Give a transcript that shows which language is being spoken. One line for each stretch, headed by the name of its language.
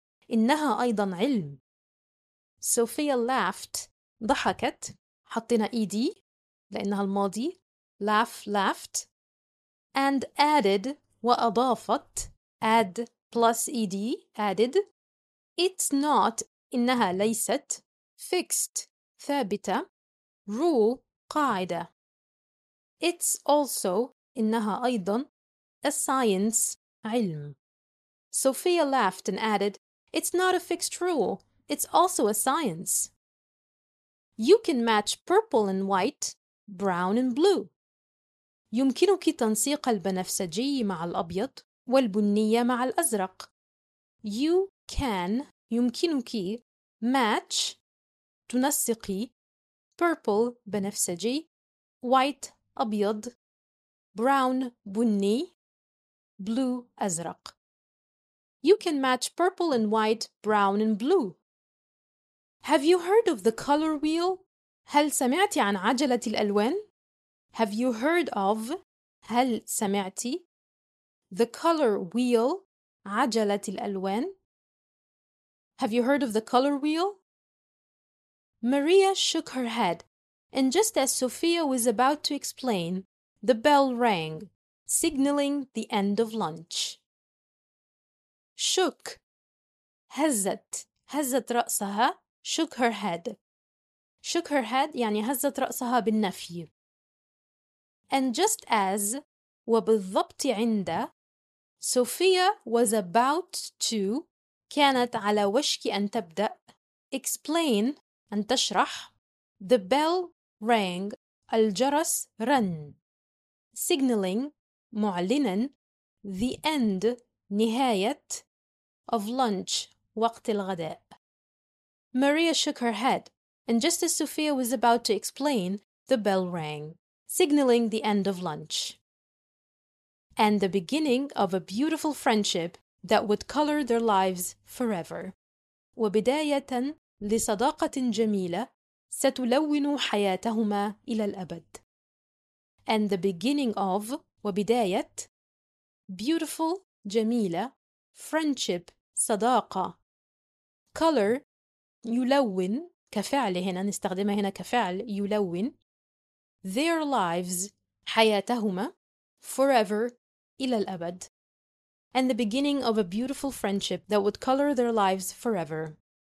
Arabic: إنها أيضا علم.
English: Sophia laughed,
Arabic: ضحكت, حطنا ED لأنها الماضي,
English: laugh, laughed, and added,
Arabic: وأضافت,
English: add plus ED, added, It's not,
Arabic: إنها ليست,
English: fixed,
Arabic: ثابتة,
English: rule,
Arabic: قاعدة.
English: It's also,
Arabic: إنها أيضا,
English: a science,
Arabic: علم.
English: Sophia laughed and added, It's not a fixed rule, it's also a science. You can match purple and white, brown and blue.
Arabic: يمكنك تنسيق البنفسجي مع الأبيض والبني مع الأزرق.
English: You can,
Arabic: يمكنك,
English: match,
Arabic: تنسقي,
English: purple,
Arabic: بنفسجي,
English: white
Arabic: أبيض,
English: brown
Arabic: بني,
English: blue
Arabic: أزرق.
English: You can match purple and white, brown and blue. Have you heard of the color wheel?
Arabic: هل سمعت عن عجلة الألوان؟
English: Have you heard of,
Arabic: هل سمعت,
English: the color wheel,
Arabic: عجلة الألوان؟
English: Have you heard of the color wheel? Maria shook her head, and just as Sophia was about to explain, the bell rang, signaling the end of lunch. Shook.
Arabic: هزت. هزت رأسها.
English: Shook her head. Shook her head
Arabic: يعني هزت رأسها بالنفي.
English: And just as,
Arabic: وبالضبط عند,
English: Sophia was about to,
Arabic: كانت على وشك أن تبدأ,
English: explain,
Arabic: أن تشرح,
English: the bell rang,
Arabic: الجرس رن,
English: signaling,
Arabic: معلنا,
English: the end,
Arabic: نهاية,
English: of lunch,
Arabic: وقت الغداء.
English: Maria shook her head, and just as Sophia was about to explain, the bell rang, signaling the end of lunch. And the beginning of a beautiful friendship that would color their lives forever.
Arabic: وبداية لصداقة جميلة ستلون حياتهما إلى الأبد.
English: And the beginning of,
Arabic: وبداية,
English: beautiful,
Arabic: جميلة,
English: friendship,
Arabic: صداقة,
English: color,
Arabic: يلون, كفعل هنا نستخدمها هنا كفعل يلون,
English: their lives,
Arabic: حياتهما,
English: forever,
Arabic: إلى الأبد,
English: and the beginning of a beautiful friendship that would color their lives forever.